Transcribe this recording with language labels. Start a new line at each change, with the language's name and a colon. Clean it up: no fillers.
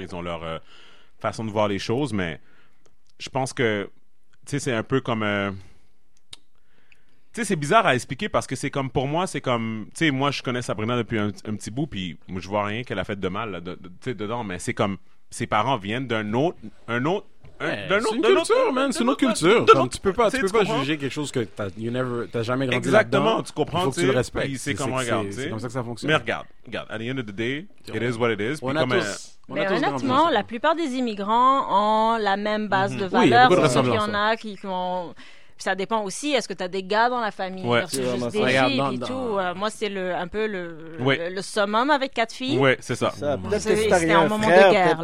French: Ils ont leur façon de voir les choses. Mais. Je pense que, tu sais, c'est un peu comme, tu sais, c'est bizarre à expliquer parce que c'est comme, pour moi, c'est comme, tu sais, moi, je connais Sabrina depuis un petit bout, puis moi, je vois rien qu'elle a fait de mal, là, tu sais, dedans, mais c'est comme, ses parents viennent d'un autre C'est une autre culture. Comme tu peux pas, juger quelque chose que t'as jamais grandi là-dedans. Exactement, tu comprends. Il faut que tu le respectes. C'est comme ça que ça fonctionne. Mais regarde,
English: at the end of the day, it is what it is.
French: Honnêtement, la plupart des immigrants ont la même base de valeurs. Il y en a qui ont. Ça dépend aussi, est-ce que tu as des gars dans la famille versus juste des filles et tout. Moi, c'est un peu le summum avec quatre filles. Oui, c'est ça. C'était un moment de guerre.